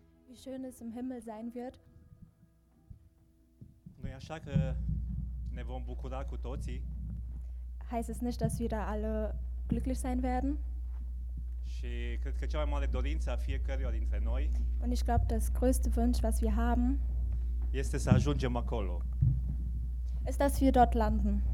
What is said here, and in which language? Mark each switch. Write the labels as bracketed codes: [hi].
[de] Wie schön es im Himmel sein wird. [ro] Nu-i așa că ne vom bucura cu toții? [de] Heißt es nicht, dass wir da alle glücklich sein werden? [ro] Și cred că cea mai mare dorință a fiecăruia dintre noi. [de] Und ich glaube, das größte Wunsch, was wir haben, [ro] este să ajungem acolo. [de] Ist, dass wir dort landen.